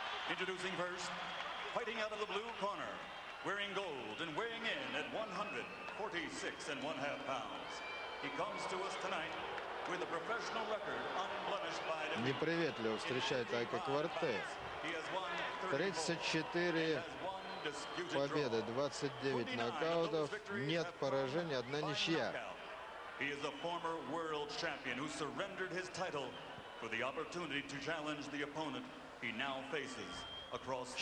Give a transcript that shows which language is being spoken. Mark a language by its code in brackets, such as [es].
[en] Introducing first, fighting out of the blue corner, wearing gold and weighing in at 146.5 pounds. He comes to us tonight with a professional record unblemished by the... [ru] Неприветливо встречает Айка Квартей. 34 победы, 29 нокаутов, нет поражений, одна ничья. [en] He is a former world champion who surrendered his title for the opportunity to challenge the opponent he now faces across this.